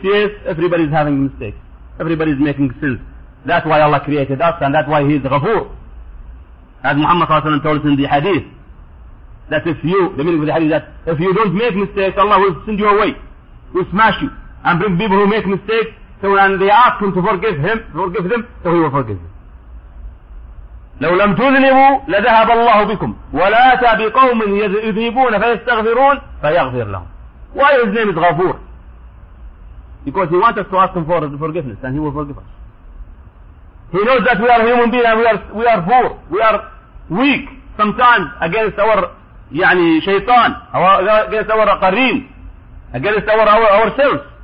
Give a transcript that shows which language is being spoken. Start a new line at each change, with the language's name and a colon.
English: Yes, everybody is having mistakes. Everybody is making sins. That's why Allah created us, and that's why He is Ghafoor. As Muhammad sallallahu alayhi wa sallam told us in the hadith, that if you, the meaning of the hadith, that if you don't make mistakes, Allah will send you away, will smash you, and bring people who make mistakes, so when they ask Him to forgive them, so He will forgive them.
Arabic: لو لم تذنبوا لذهب الله بكم ولا تبي قوم يذنبون فيستغفرون فيغفر لهم.
English: Why his name is Ghafoor? Because he wants us to ask him for the forgiveness, and he will forgive us. He knows that we are human beings, and we are poor, we are weak sometimes against our
Arabic: يعني شيطان,
English: against our قرين, against ourselves.